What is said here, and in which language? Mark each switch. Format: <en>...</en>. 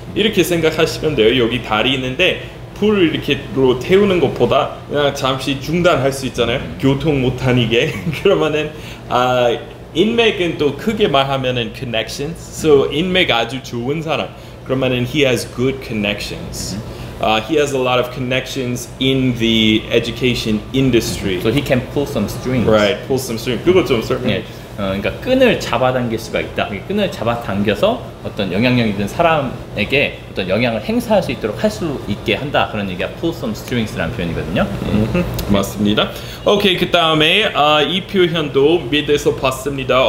<ko>이렇게 생각하시면 돼요. 여기 다리 있는데 불을 이렇게로 태우는 것보다 그냥 잠시 중단할 수 있잖아요. 교통 못 다니게. 그러면은 인맥은 또 크게 말하면은 connections. So 인맥 아주 좋은 사람. 그러면은</ko> <en>he has good connections. He has a lot of connections in the education industry. So he can pull some strings. Right, pull some strings.</en> <ko>그거 좀 설명. 네. 그러니까 끈을 잡아당길 수가 있다. 끈을 잡아당겨서 어떤 영향력 있는 사람에게 어떤 영향을 행사할 수 있도록 할 수 있게 한다. 그런 얘기가 pull some strings라는 표현이거든요. 맞습니다. 오케이, 그 다음에 이 표현도 미드에서 봤습니다.</ko>